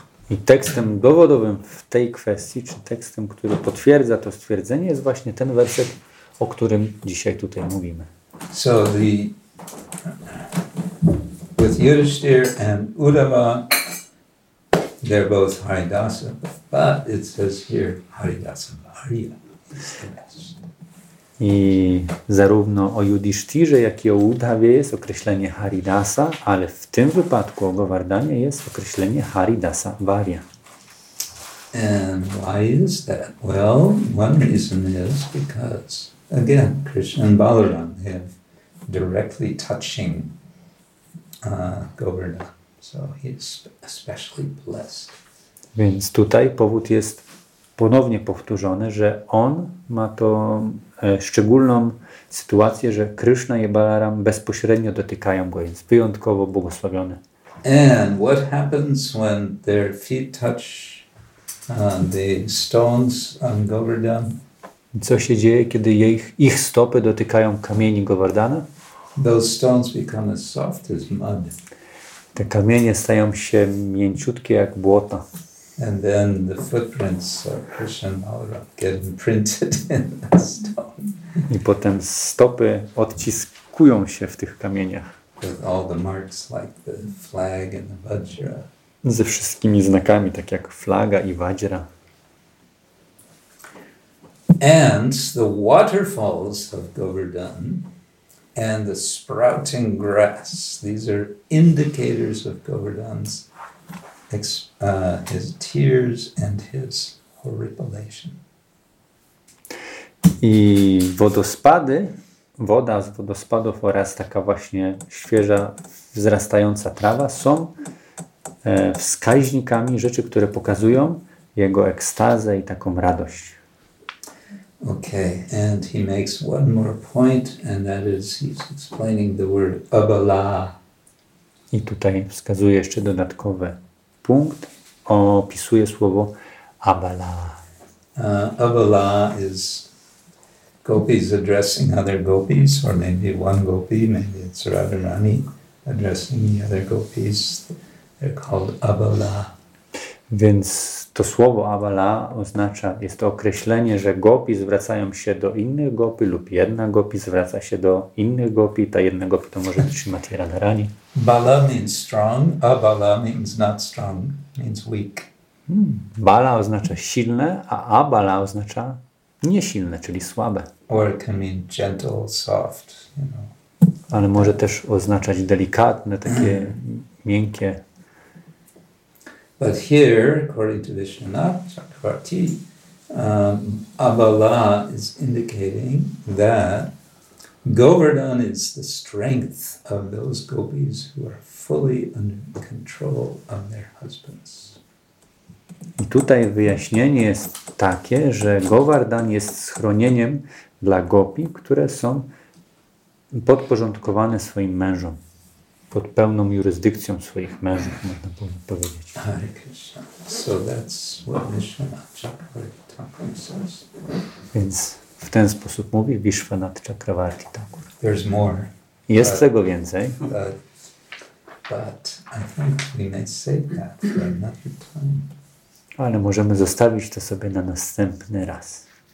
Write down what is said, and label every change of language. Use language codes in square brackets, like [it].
[pl] I tekstem dowodowym w tej kwestii, czy tekstem, który potwierdza to stwierdzenie, jest właśnie ten werset, o którym dzisiaj tutaj mówimy. [en] So the with Yudhishthir and Uddhava, they're both Haridasa, but it says here Haridasa Bharya. [pl] I zarówno o Yudhishthirze, jak i o Uddhavie jest określenie Haridasa, ale w tym wypadku o Govardhanie jest określenie Haridasa Bharya. [en] And why is that? Well, one reason is because, again, Krishna and Balaram have directly touching Govardhan. So he's especially blessed. [pl] Więc tutaj powód jest ponownie powtórzony, że on ma to szczególną sytuację, że Krishna i Balaram bezpośrednio dotykają go, więc wyjątkowo błogosławiony. [en] And what happens when their feet touch the stones on Govardhan? [pl] Co się dzieje, kiedy ich stopy dotykają kamieni Govardhana? [en] Those stones become as soft as mud. [pl] Te kamienie stają się mięciutkie jak błoto. [en] And then the footprints of Krishna and Balaram get imprinted in the stone. [pl] I potem stopy odciskują się w tych kamieniach. [en] With all the marks like the flag and the vajra. [pl] Ze wszystkimi znakami, tak jak flaga i vajra. [en] And the waterfalls of Govardhan and the sprouting grass, these are indicators of Govardhan's his tears and his horripilation. [pl] I wodospady, woda z wodospadów oraz taka właśnie świeża, wzrastająca trawa są wskaźnikami rzeczy, które pokazują jego ekstazę i taką radość. [en] Okay, and he makes one more point, and that is he's explaining the word abala. [pl] I tutaj wskazuje jeszcze dodatkowe punkt, opisuje słowo abala. [en] Abala is gopis addressing other gopis, or maybe one gopi, maybe it's Radharani addressing the other gopis. They're called abala. [pl] Więc to słowo abala oznacza, jest to określenie, że gopi zwracają się do innych gopi lub jedna gopi zwraca się do innych gopi. Ta jedna gopi to może być Śrimati Radharani. [en] Bala means strong, abala means not strong, means weak. [pl] Bala oznacza silne, a abala oznacza Nie silne, czyli słabe. [en] Or it can mean gentle, soft, you know. [pl] Ale może też oznaczać delikatne, takie miękkie. [en] But here, according to Vishwanath Chakravarti, Abala is indicating that Govardhan is the strength of those gopis who are fully under control of their husbands. [pl] I tutaj wyjaśnienie jest takie, że Govardhan jest schronieniem dla gopi, które są podporządkowane swoim mężom, pod pełną jurysdykcją swoich mężów, można powiedzieć. [en] Hare Krishna. So that's what Vishwanath Chakravarti Thakur says. [pl] Więc w ten sposób mówi Vishwanath Chakravarti Thakur. [en] There's more. [pl] Jest tego więcej. [en] But I think we may say that for another time. [pl] Ale możemy zostawić to sobie na następny raz.